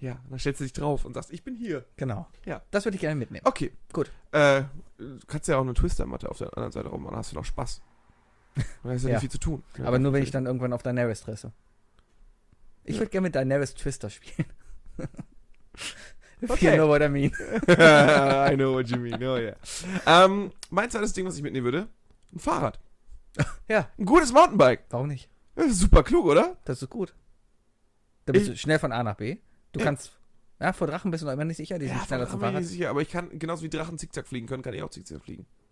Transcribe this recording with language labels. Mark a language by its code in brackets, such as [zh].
[de] Ja, dann stellst du dich drauf und sagst, ich bin hier. Genau. Ja. Das würde ich gerne mitnehmen. Okay. Gut. Du kannst ja auch eine Twister-Matte auf der anderen Seite rum, dann hast du noch Spaß. Da ist ja nicht viel zu tun. Ja, aber nur, wenn ich dann irgendwann auf Daenerys dresse. Ich würde gerne mit Daenerys Twister spielen. [en] If you know what I mean. I know what you mean, oh yeah. [de] Mein zweites Ding, was ich mitnehmen würde, ein Fahrrad. Ja. Ein gutes Mountainbike. Warum nicht? Das ist super klug, oder? Das ist gut. Da bist du schnell von A nach B. Du kannst, ja, vor Drachen bist du noch immer nicht sicher, die sind schneller zum Fahrrad. Ich bin mir nicht sicher, aber ich kann, genauso wie Drachen zickzack fliegen können, kann ich auch zickzack fliegen.